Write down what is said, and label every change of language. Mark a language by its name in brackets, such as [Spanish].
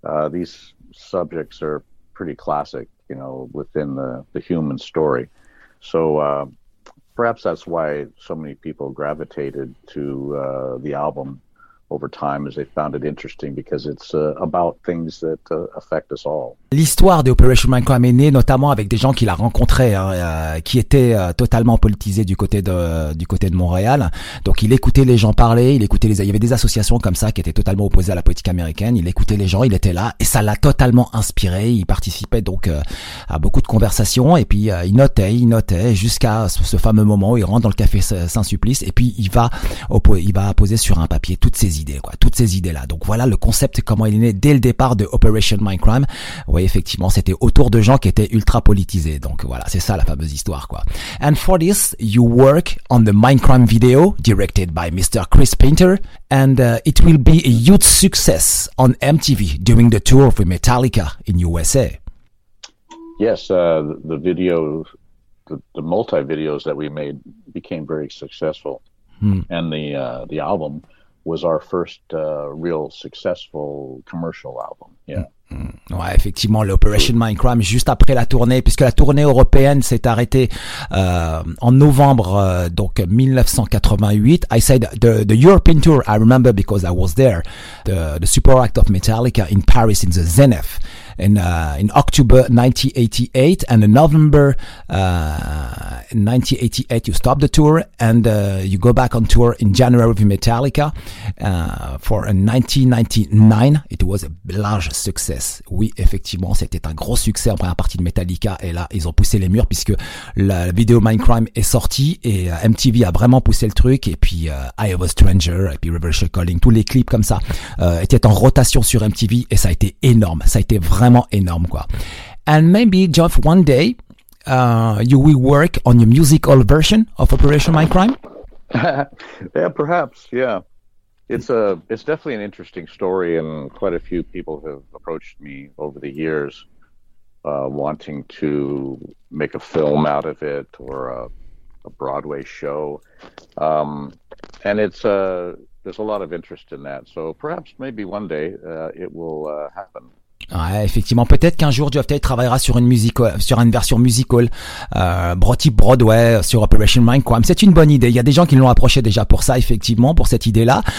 [English] These subjects are pretty classic, within the human story. So perhaps that's why so many people gravitated to the album over time, as they found it interesting, because it's about things that affect us all. [French] L'histoire de Operation Mindcrime est née notamment avec des gens qu'il a rencontrés, qui étaient totalement politisés du côté de Montréal. Donc il écoutait les gens parler, il y avait des associations comme ça qui étaient totalement opposées à la politique américaine. Il écoutait les gens, il était là et ça l'a totalement inspiré. Il participait donc à beaucoup de conversations et puis il notait jusqu'à ce fameux moment où il rentre dans le café Saint-Sulpice et puis il va poser sur un papier toutes ces idées, quoi, toutes ces idées-là. Donc voilà le concept, comment il est né dès le départ de Operation Mindcrime. Oui, effectivement, c'était autour de gens qui étaient ultra politisés. Donc voilà, c'est ça la fameuse histoire, quoi. [English] And for this, you work on the Mindcrime video directed by Mr. Chris Painter, and it will be a huge success on MTV during the tour of Metallica in USA. Yes, the video, the multi-videos that we made became very successful. Hmm. And the album was our first real successful commercial album. Yeah. Mm-hmm. [French] Ouais, effectivement, l'Operation Mindcrime, juste après la tournée, puisque la tournée européenne s'est arrêtée en novembre, donc 1988. [English] I said the European tour, I remember because I was there, the support act of Metallica in Paris in the Zenith. In October 1988 and in November 1988, you stopped the tour and you go back on tour in January with Metallica for a 1999. It was a large success. [French] Oui, effectivement, c'était un gros succès en première partie de Metallica. Et là, ils ont poussé les murs puisque la vidéo Mindcrime est sortie et MTV a vraiment poussé le truc. Et puis, Eye of a Stranger, et puis Revolution Calling, tous les clips comme ça étaient en rotation sur MTV et ça a été énorme. Ça a été vraiment énorme, quoi. [English] And maybe, Geoff, one day, you will work on your musical version of Operation Mindcrime? Yeah, perhaps, yeah. It's definitely an interesting story, and quite a few people have approached me over the years wanting to make a film out of it or a Broadway show. And it's there's a lot of interest in that. So perhaps, maybe one day, it will happen. [French] Ouais, effectivement, peut-être qu'un jour Geoff Tate travaillera sur une version musical Broadway sur Operation Mindcrime. C'est une bonne idée. Il y a des gens qui l'ont approché déjà pour ça, effectivement, pour cette idée-là.